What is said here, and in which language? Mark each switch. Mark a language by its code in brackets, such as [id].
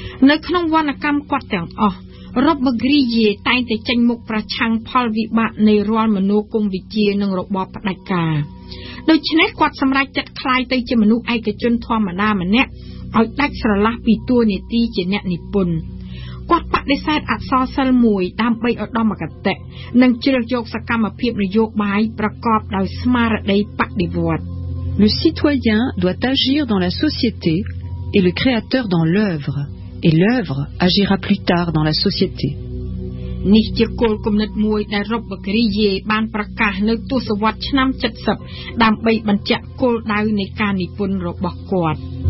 [km] នៅក្នុងវណ្ណកម្មគាត់ទាំងអស់រ៉ូបឺ-គ្រីយេតែងតែចេញមុខប្រឆាំងផលវិបាកនៃរាល់មនោគមវិជ្ជានិងរបបផ្ដាច់ការដូច្នេះគាត់សម្រេចចិត្តខ្លាយទៅជាមនុស្សឯកជនធម្មតាម្នាក់ឲ្យដាច់ស្រឡះពីតួនាទីជាអ្នកនិពន្ធគាត់បដិសេធអក្សរសិល្ប៍មួយដើម្បីឧត្តមគតិនិងជ្រើសយកសកម្មភាពនយោបាយប្រកបដោយស្មារតីបដិវត្តន៍ [fr] Le citoyen doit agir dans la société est le créateur dans l'œuvre, et l'œuvre agira plus tard dans la société. [km] នេះជាគោលគំនិតមួយដែលរបបកេរីយេបានប្រកាសនៅទសវត្សរ៍ឆ្នាំ70ដើម្បីបញ្ជាក់គោលដៅនៃការនិពន្ធរបស់គាត់